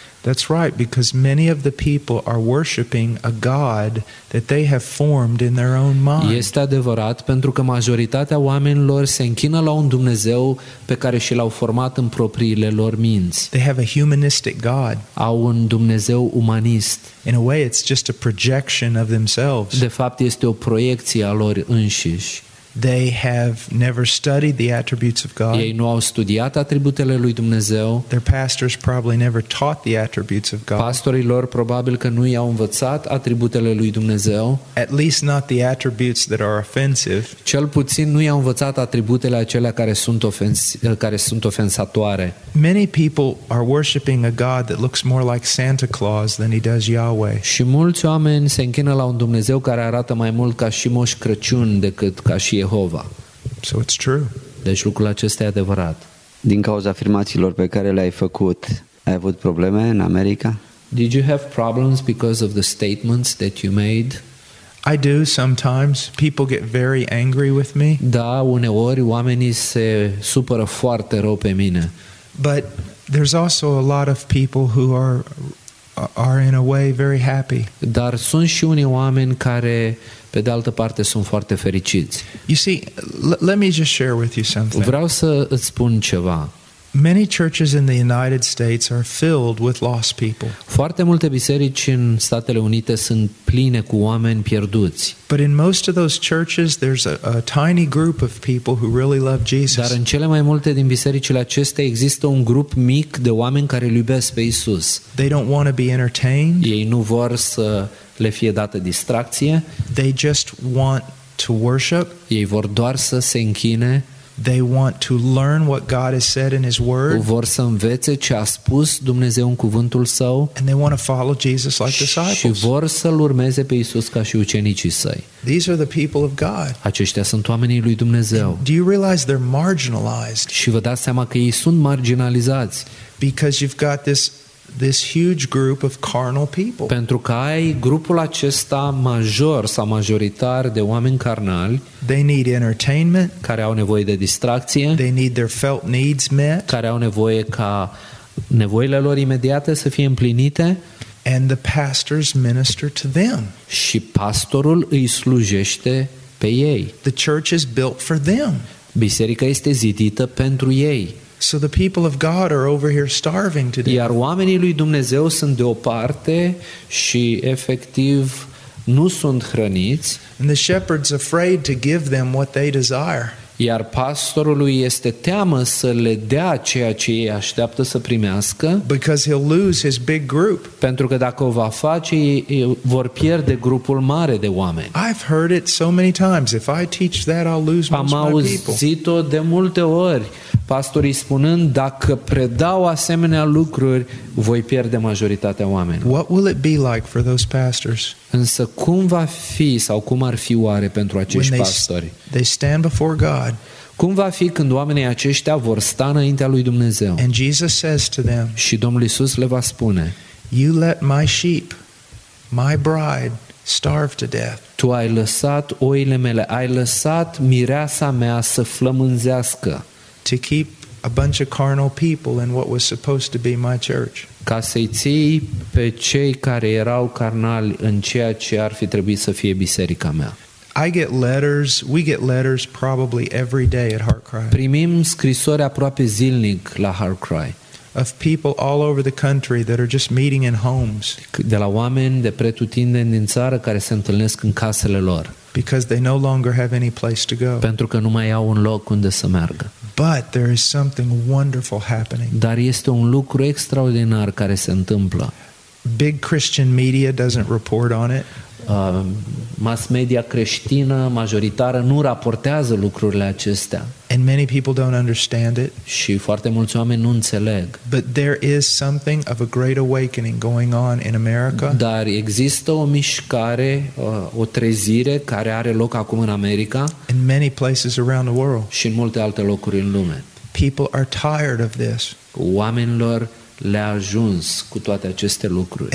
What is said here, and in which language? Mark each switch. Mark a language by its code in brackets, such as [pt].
[en] That's right, because many of the people are worshiping a god that they have formed in their own mind. [ro] Este adevărat, pentru că majoritatea oamenilor se închină la un Dumnezeu pe care și l-au format în propriile lor minți. [en] They have a humanistic god. [ro] Au un Dumnezeu umanist. [en] In a way, it's just a projection of themselves. [ro] De fapt, este o proiecție a lor înșiși. [en] They have never studied the attributes of God. [ro] Ei nu au studiat atributele lui Dumnezeu. [en] Their pastors probably never taught the attributes of God. [ro] Pastorii lor probabil că nu i-au învățat atributele lui Dumnezeu. [en] At least not the attributes that are offensive. [ro] Cel puțin nu i-au învățat atributele acelea care sunt ofensatoare. [en] Many people are worshiping a God that looks more like Santa Claus than he does Yahweh. [ro] Și mulți oameni se închină la un Dumnezeu care arată mai mult ca și Moș Crăciun decât ca și Jehova. [en] So it's true. [ro] Deci lucrul acesta e adevărat. Din cauza afirmațiilor pe care le-ai făcut, ai avut probleme în America? [en] Did you have problems because of the statements that you made? I do sometimes. People get very angry with me. [ro] Da, uneori oamenii se supără foarte rău pe mine. [en] But there's also a lot of people who are in a way very happy. [ro] Dar sunt și unii oameni care pe de altă parte sunt foarte fericiți. [en] You see, let me just share with you something. [ro] Vreau să îți spun ceva. [en] Many churches in the United States are filled with lost people. [ro] Foarte multe biserici în Statele Unite sunt pline cu oameni pierduți. [en] But in most of those churches there's a tiny group of people who really love Jesus. [ro] Dar în cele mai multe din bisericile acestea există un grup mic de oameni care îl iubesc pe Isus. [en] They don't want to be entertained. [ro] Ei nu vor să le fie dată distracție. [en] They just want to worship. [ro] Ei vor doar să se închine. [en] They want to learn what God has said in His Word. [ro] Vor să învețe ce a spus Dumnezeu în cuvântul Său. [en] And they want to follow Jesus like disciples. [ro] Și vor să-L urmeze pe Iisus ca și ucenicii Săi. [en] These are the people of God. [ro] Aceștia sunt oamenii lui Dumnezeu. [en] Do you realize they're marginalized? [ro] Și vă dați seama că ei sunt marginalizați. [en] Because you've got this huge group of carnal people. [ro] Pentru că ai grupul acesta major sau majoritar de oameni carnali. [en] They need entertainment. [ro] Care au nevoie de distracție. [en] They need their felt needs met. [ro] Care au nevoie ca nevoile lor imediate să fie împlinite. [en] And the pastors minister to them. [ro] Și pastorul îi slujește pe ei. [en] The church is built for them. [ro] Biserica este zidită pentru ei. [en] So the people of God are over here starving today. [ro] Iar oamenii lui Dumnezeu sunt deoparte și efectiv nu sunt hrăniți. [en] And the shepherd's afraid to give them what they desire. [ro] Iar pastorului este teamă să le dea ceea ce ei așteaptă să primească. [en] Because he'll lose his big group. [ro] Pentru că dacă o va face, vor pierde grupul mare de oameni. [en] I've heard it so many times. If I teach that, I'll lose most of my people. [ro] Am auzit-o de multe ori. Pastorii spunând, dacă predau asemenea lucruri, voi pierde majoritatea oamenilor. [en] What will it be like for those pastors? [ro] Însă cum va fi sau cum ar fi oare pentru acești pastori? [en] They stand before God. [ro] Cum va fi când oamenii aceștia vor sta înaintea lui Dumnezeu? [en] And Jesus says to them. [ro] Și Domnul Iisus le va spune. [en] You let my sheep, my bride, starve to death. [ro] Tu ai lăsat oile mele, ai lăsat mireasa mea să flămânzească. [en] To keep a bunch of carnal people in what was supposed to be my church. [ro] Ca să-i ții pe cei care erau carnali în ceea ce ar fi trebuit să fie biserica mea. [en] I get letters, we get letters probably every day at Heartcry. [ro] Primim scrisori aproape zilnic la Heartcry. [en] Of people all over the country that are just meeting in homes. [ro] De la oameni de pretutindeni din țară care se întâlnesc în casele lor. [en] Because they no longer have any place to go. [ro] Pentru că nu mai au un loc unde să meargă. [en] But there is something wonderful happening. [ro] Dar este un lucru extraordinar care se întâmplă. [en] Big Christian media doesn't report on it. [ro] Mass media creștină majoritară nu raportează lucrurile acestea. [en] And many people don't understand it. [ro] Și foarte mulți oameni nu înțeleg. [en] But there is something of a great awakening going on in America. [ro] Dar există o mișcare, o trezire care are loc acum în America. [en] In many places around the world. [ro] Și în multe alte locuri în lume. [en] People are tired of this. [ro] Oamenilor le-a ajuns cu toate aceste lucruri.